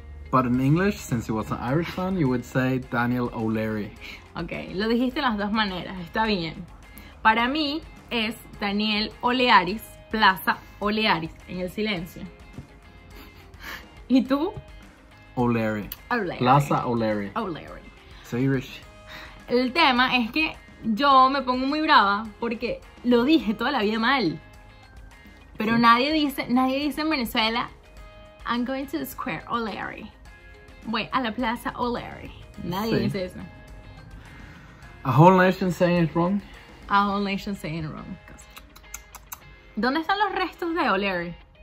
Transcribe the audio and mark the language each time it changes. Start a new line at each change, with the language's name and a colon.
English: But in English, since he was an Irishman, you would say Daniel O'Leary.
Spanish: Ok, lo dijiste de las dos maneras, está bien. Para mí es Daniel O'Learys, Plaza O'Learys, en el silencio. ¿Y tú? O'Leary. O'Leary. Plaza O'Leary. O'Leary. Soy Irish. El tema es que yo me pongo muy brava porque lo dije toda la vida mal. Pero sí. nadie dice en Venezuela...
English: I'm going to the square, O'Leary.
Spanish: Voy a la plaza, O'Leary. Nadie dice eso.
English: A whole nation saying it wrong. A whole nation saying it wrong.
Spanish: ¿Dónde están los restos de O'Leary?